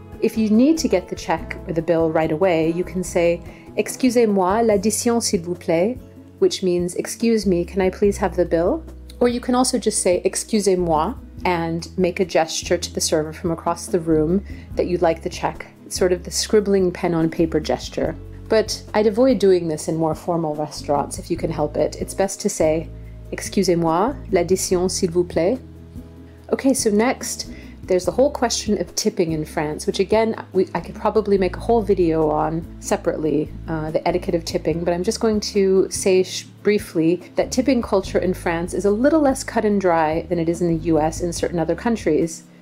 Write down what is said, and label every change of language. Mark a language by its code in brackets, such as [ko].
[en] If you need to get the check or the bill right away, you can say, [fr] "Excusez-moi, l'addition, s'il vous plaît," [en] which means, "Excuse me, can I please have the bill?" Or you can also just say, "Excusez-moi," and make a gesture to the server from across the room that you'd like the check, sort of the scribbling pen on paper gesture. But I'd avoid doing this in more formal restaurants if you can help it. It's best to say, [fr] "Excusez-moi, l'addition, s'il vous plaît." [en] Okay, so next, there's the whole question of tipping in France, which again, I could probably make a whole video on separately, the etiquette of tipping, but I'm just going to say briefly that tipping culture in France is a little less cut and dry than it is in the US and certain other countries.